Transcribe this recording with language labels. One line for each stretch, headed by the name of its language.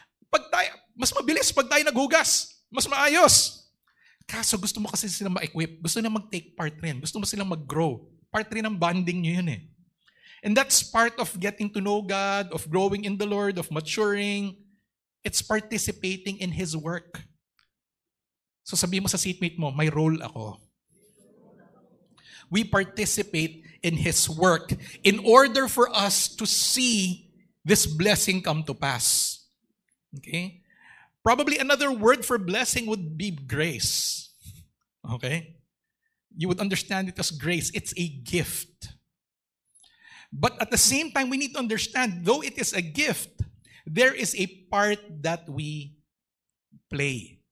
Filipino: Pag tayo, mas mabilis pag tayo naghugas. Mas maayos. Kaso gusto mo kasi silang ma-equip. Gusto nilang mag-take part rin. Gusto mo silang mag-grow. Part rin ang bonding nyo yun eh.
English: And that's part of getting to know God, of growing in the Lord, of maturing. It's participating in His work.
Filipino: So sabi mo sa seatmate mo, may role ako.
English: We participate in His work in order for us to see this blessing come to pass. Okay? Probably another word for blessing would be grace. Okay? You would understand it as grace. It's a gift. But at the same time, we need to understand, though it is a gift, there is a part that we play.